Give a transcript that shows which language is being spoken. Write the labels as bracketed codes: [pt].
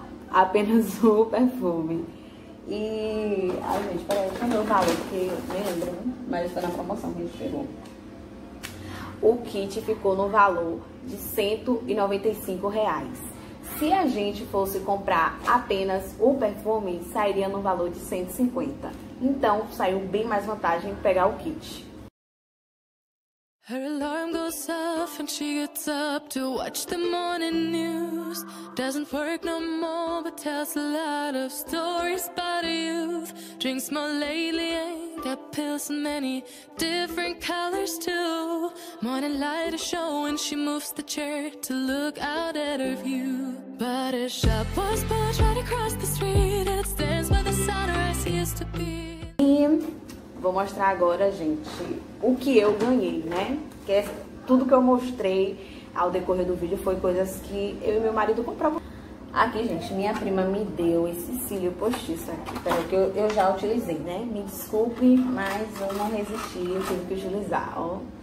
[pt] Apenas o perfume. E, ai gente, peraí, deixa eu ver o valor, que nem lembro, mas foi na promoção que a gente chegou. O kit ficou no valor de R$195. Se a gente fosse comprar apenas o perfume, sairia no valor de 150. Então, saiu bem mais vantagem pegar o kit. [en] Her alarm goes off and she gets up to watch the morning news. Doesn't work no more, but tells a lot of stories about a youth. Drinks more lately, ain't got pills in many different colors too. Morning light is showing, she moves the chair to look out at her view. But a shop was built right across the street. It stands where the sunrise used to be. [pt] Vou mostrar agora, gente, o que eu ganhei, né? Que é tudo que eu mostrei ao decorrer do vídeo foi coisas que eu e meu marido compravam. Aqui, gente, minha prima me deu esse cílio postiço aqui, peraí, que eu já utilizei, né? Me desculpe, mas eu não resisti, eu tive que utilizar, ó.